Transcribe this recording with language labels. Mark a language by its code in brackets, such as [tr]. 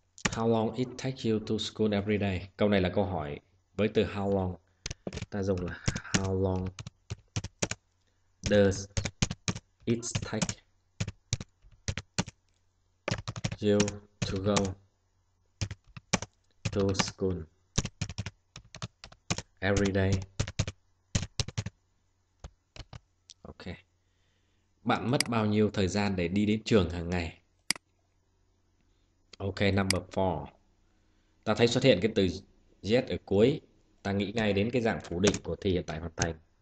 [en] How long it takes you to school every day? [vi] Câu này là câu hỏi với từ how long. Ta dùng là [en] how long does it take you to go to school every day? [vi] Bạn mất bao nhiêu thời gian để đi đến trường hàng ngày? [en] Ok, number 4. [vi] Ta thấy xuất hiện cái từ yet ở cuối, ta nghĩ ngay đến cái dạng phủ định của thì hiện tại hoàn thành.